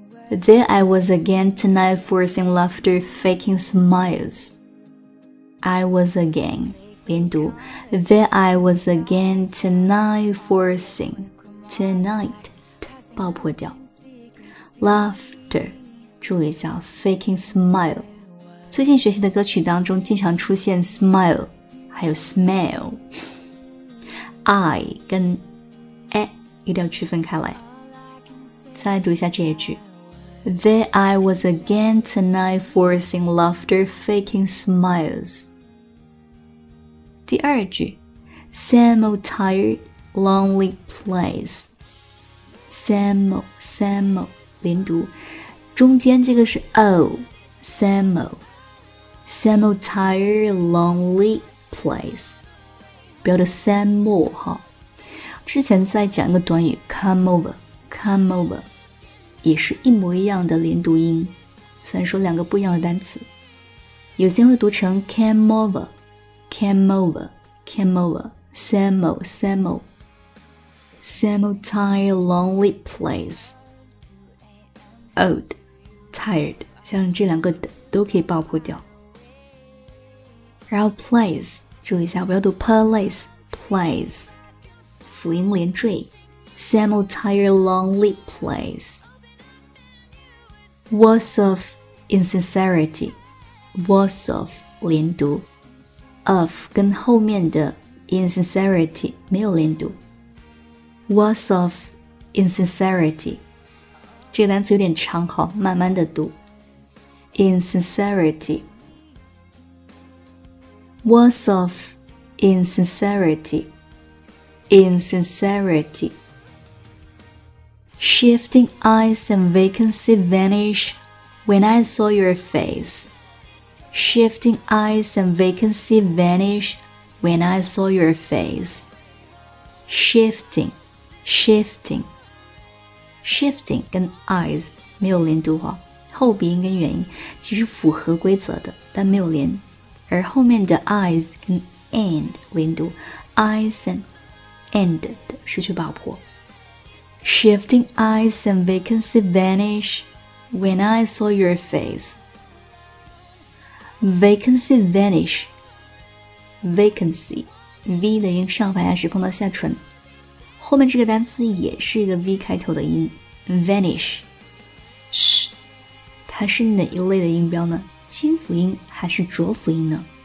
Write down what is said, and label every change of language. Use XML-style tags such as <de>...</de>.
<en>There I was again tonight, forcing laughter, faking smiles. I was again 连读 There I was again tonight, forcing tonight 爆破掉 Laughter，注意一下 faking smile。</en> <zh>最近学习的歌曲当中经常出现 smile 还有 smell， I 跟 a 一定要区分开来。</zh> <en>再读一下这一句 There I was again tonight, forcing laughter, faking smiles。第二句 Same old tired, lonely place。 Same old, same old 连读，中间这个是 O， same old， same old tired lonely place，不要读 same old 哈。</en> <zh>之前在讲一个短语 come over， come over 也是一模一样的连读音，虽然说两个不一样的单词，有些会读成 came over， came over， came over， same old， same old， same old tired lonely place。 Old, tired，像这两个的都可以爆破掉。然后 place， 注意一下，不要读 place， place， 辅音连缀。</zh> <en>Same old tired lonely place. Words of insincerity, words of 连读，of 跟后面的 insincerity 没有连读。 Words of insincerity.</en> <zh>这个单词有点长，好，慢慢的读。</zh> <en>Insincerity, words of insincerity, insincerity. Shifting eyes and vacancy vanish when I saw your face. Shifting eyes and vacancy vanish when I saw your face. Shifting, shifting.</en> <zh>Shifting 跟 eyes 没有连读哦，后鼻音跟元音其实符合规则的，但没有连，而后面的 eyes 跟 and 连读 ，eyes and and 的失去爆破。</zh> <en>Shifting eyes and vacancy vanish when I saw your face. Vacancy vanish.</en> <zh>Vacancy, V 的音上排牙齿碰到下唇，后面这个单词也是一个 V 开头的音。</zh> <en>Vanish, sh,</en> <zh>它是哪一类的音标呢？清辅音还是浊辅音呢？</zh>